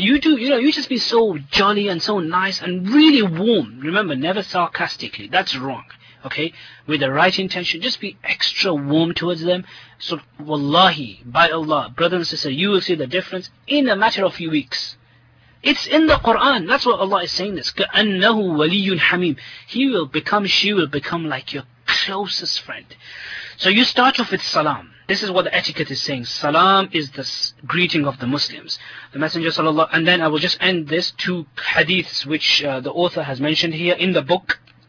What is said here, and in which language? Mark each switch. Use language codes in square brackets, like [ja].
[en] You do, you know, you just be so jolly and so nice and really warm. Remember, never sarcastically. That's wrong. Okay, with the right intention, just be extra warm towards them. So, wallahi, by Allah, brother and sister, you will see the difference in a matter of a few weeks. It's in the Quran. That's what Allah is saying. This, [ar] كَأَنَّهُ وَلِيٌّ حَمِيمٌ. [en] She will become like your closest friend. So you start off with salam. This is what the etiquette is saying. Salam is the greeting of the Muslims. The Messenger sallallahu, and then I will just end this two hadiths which the author has mentioned here in the book.